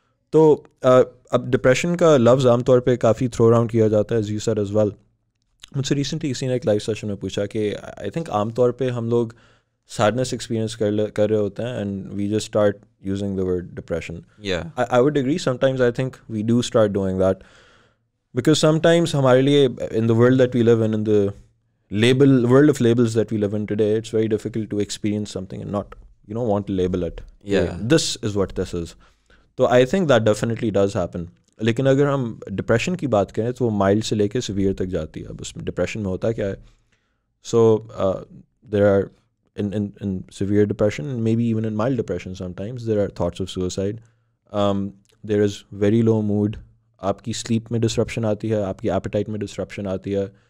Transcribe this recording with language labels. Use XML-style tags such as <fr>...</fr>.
<ur>تو اب ڈپریشن کا لفظ عام طور پہ کافی تھرو اراؤنڈ کیا جاتا ہے,</ur> <en>as you said as well.</en> <ur>مجھ سے ریسنٹلی کسی نے ایک لائیو سیشن میں پوچھا کہ</ur> <en>I think</en> <ur>عام طور پہ ہم لوگ سیڈنیس ایکسپیرئنس کر رہے ہوتے ہیں</ur> <en>And we just start using the word depression. I would agree, sometimes I think we do start doing that. Because sometimes</en> <ur>ہمارے لیے</ur> <en>in the world that we live in the label world of labels that we live in today, it's very difficult to experience something and not, you know, want to label it. Yeah. This is what this is. So I think that definitely does happen.</en> <ur>لیکن اگر ہم depression کی بات کریں تو وہ mild سے لے کے سیویئر تک جاتی ہے. اب اس میں ڈپریشن میں ہوتا کیا ہے,</ur> <en>so there are in severe depression, maybe even in mild depression sometimes there are thoughts of suicide, there is very low mood,</en> <ur>آپ کی سلیپ میں ڈسرپشن آتی ہے, آپ کی ایپیٹائٹ میں ڈسرپشن آتی ہے.</ur>